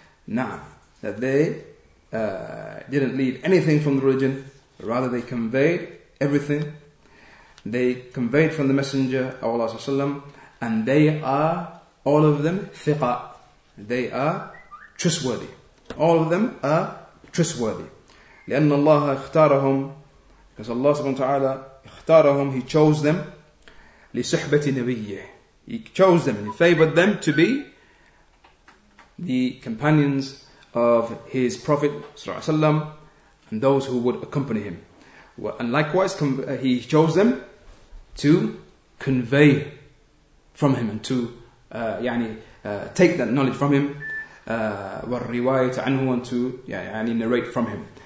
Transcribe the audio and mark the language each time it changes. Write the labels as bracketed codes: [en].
[en] نعم, that they didn't leave anything from the religion, rather they conveyed everything. They conveyed from the Messenger of Allah صَلَّى اللَّهُ عَلَيْهِ وَسَلَّمَ, and they are, all of them, ثِقَة. They are trustworthy. All of them are trustworthy. [ar] لأن الله اختارهم, [en] because Allah [ar] سبحانه وتعالى اختارهم, [en] He chose them [ar] لصحبة نبيه. [en] He chose them and He favored them to be the companions of His Prophet صلى الله عليه وسلم and those who would accompany Him. And likewise, He chose them to convey from Him and to take that knowledge from Him, [ar] والرواية عنه, [en] and to narrate from Him.